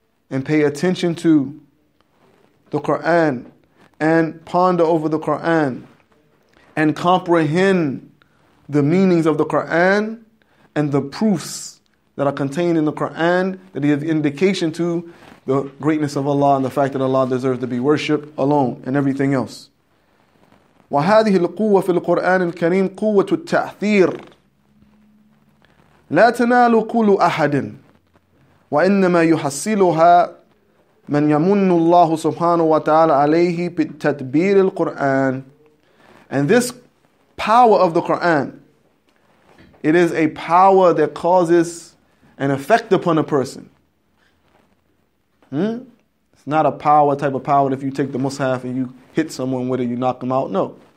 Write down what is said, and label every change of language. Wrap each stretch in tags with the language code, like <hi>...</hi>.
<en>and pay attention to the Quran and ponder over the Quran and comprehend the meanings of the Quran and the proofs that are contained in the Quran that give indication to the greatness of Allah and the fact that Allah deserves to be worshipped alone and everything else.</en> <ar>وهذه القوة في القرآن الكريم قوة التأثير لا تنال كل أحد وإنما يحصلها من يمن الله سبحانه وتعالى عليه بتدبير القرآن.</ar> <en>And this power of the Quran, it is a power that causes an effect upon a person. It's not a power type of power that if you take the mushaf and you hit someone with it, you knock them out. No.</en>